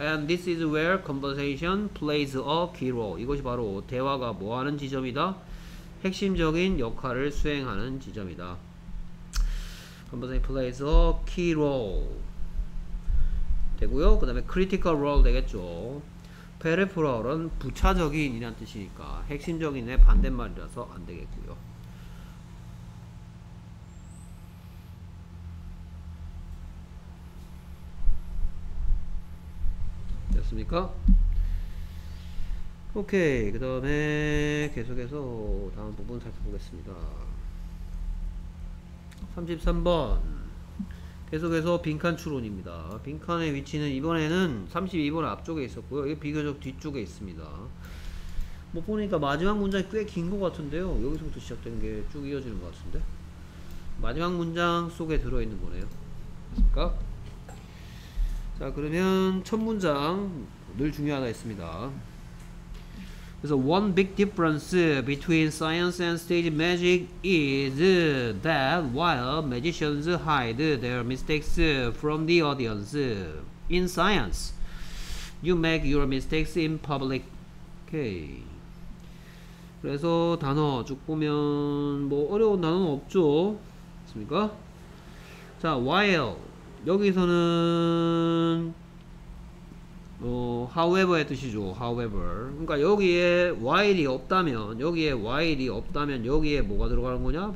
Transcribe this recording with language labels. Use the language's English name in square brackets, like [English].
[English] And this is where conversation plays a key role. [Korean] 이것이 바로 대화가 뭐 하는 지점이다? 핵심적인 역할을 수행하는 지점이다. [English] Conversation plays a key role. [Korean] 되고요. 그 다음에 [English] critical role [Korean] 되겠죠. peripheral은 부차적인 이란 뜻이니까 핵심적인의 반대말이라서 안 되겠고요. 됐습니까? 오케이. 그 다음에 계속해서 다음 부분 살펴보겠습니다. 33번. 계속해서 빈칸 추론입니다. 빈칸의 위치는 이번에는 32번 앞쪽에 있었고요. 이게 비교적 뒤쪽에 있습니다. 뭐 보니까 마지막 문장이 꽤긴것 같은데요. 여기서부터 시작되는 게쭉 이어지는 것 같은데. 마지막 문장 속에 들어있는 거네요. 맞습니까? 자, 그러면 첫 문장 늘 중요 하나 있습니다. 그래서 [English] one big difference between science and stage magic is that while magicians hide their mistakes from the audience, in science, you make your mistakes in public. Okay. [Korean] 그래서 단어 쭉 보면 뭐 어려운 단어는 없죠. 맞습니까? 자, while 여기서는 however의 뜻이죠. however. 그러니까 여기에 while이 없다면 여기에 while이 없다면 여기에 뭐가 들어가는 거냐?